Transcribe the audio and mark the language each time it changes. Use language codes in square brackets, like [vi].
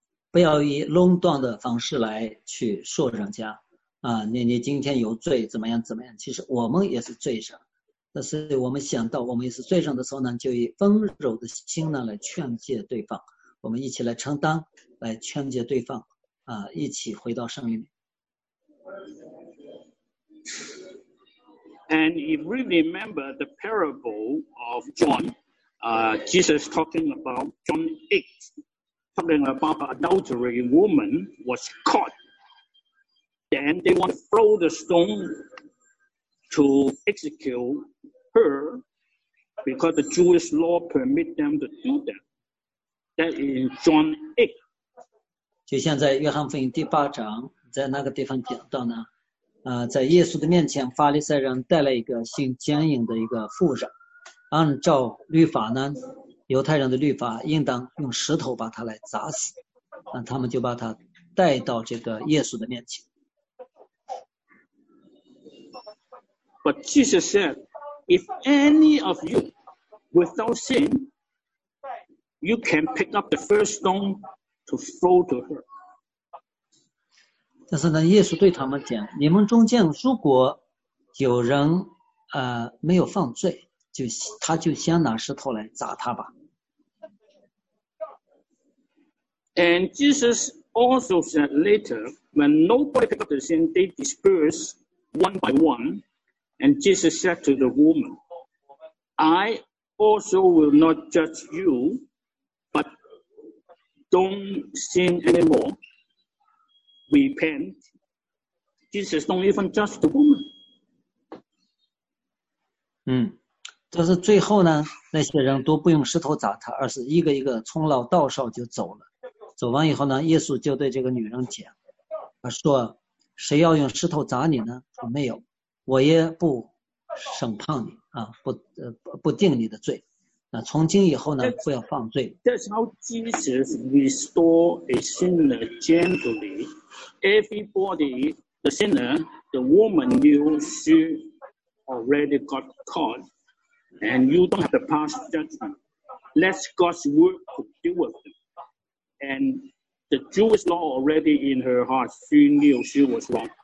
[zh] 不要以垄断的方式来去说人家啊，你今天有罪怎么样怎么样，其实我们也是罪人，但是我们想到我们也是罪人的时候呢，就以温柔的心呢来劝诫对方，我们一起来承担，来劝诫对方啊，一起回到圣灵。 [en] And if we remember the parable of John, Jesus talking about John 8,Talking about an adultery woman was caught. Then they want to throw the stone to execute her because the Jewish law permit them to do that. That is John 8. [zh] 就像在约翰福音第八章，在那个地方讲到呢，在耶稣的面前，法利赛人带了一个姓奸淫的一个妇人，按照律法呢。犹太人的律法应当用石头把他来砸死，那他们就把他带到这个耶稣的面前。 [en] But Jesus said, if any of you without sin, you can pick up the first stone to throw to her. [zh] 但是呢，耶稣对他们讲，你们中间如果有人没有犯罪，就他就先拿石头来砸他吧。 [en] And Jesus also said later, when nobody picked up the sin, they dispersed one by one. And Jesus said to the woman, I also will not judge you, but don't sin anymore. Repent. Jesus don't even judge the woman. [zh] 但是最后呢，那些人都不用石头砸他，而是一个一个从老到少就走了。走完以后呢，耶稣就对这个女人讲，他说：“谁要用石头砸你呢？说没有，我也不审判你啊，不定你的罪。那从今以后呢，不要犯罪。” [en] That's how Jesus restored a sinner gently. Everybody, the sinner, the woman knew she already got caught, and you don't have to pass judgment. Let God's word to deal with them. And the Jewish law already in her heart, she knew she was wrong.